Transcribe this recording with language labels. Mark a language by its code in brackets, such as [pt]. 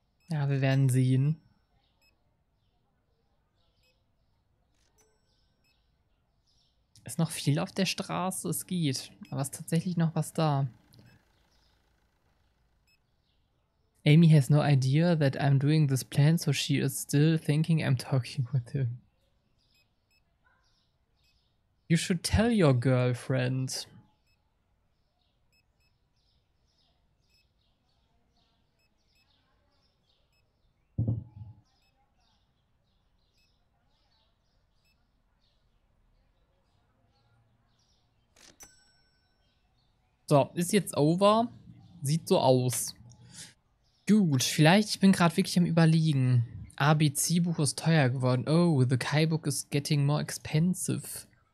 [de] Ja, wir werden sehen. Ist noch viel auf der Straße, es geht. Aber ist tatsächlich noch was da? [en] Amy has no idea that I'm doing this plan, so she is still thinking I'm talking with him. You should tell your girlfriend. [de] So, ist jetzt over. Sieht so aus. Gut, vielleicht, ich bin gerade wirklich am Überlegen. ABC-Buch ist teuer geworden. [en] Oh, the Kai-Book is getting more expensive.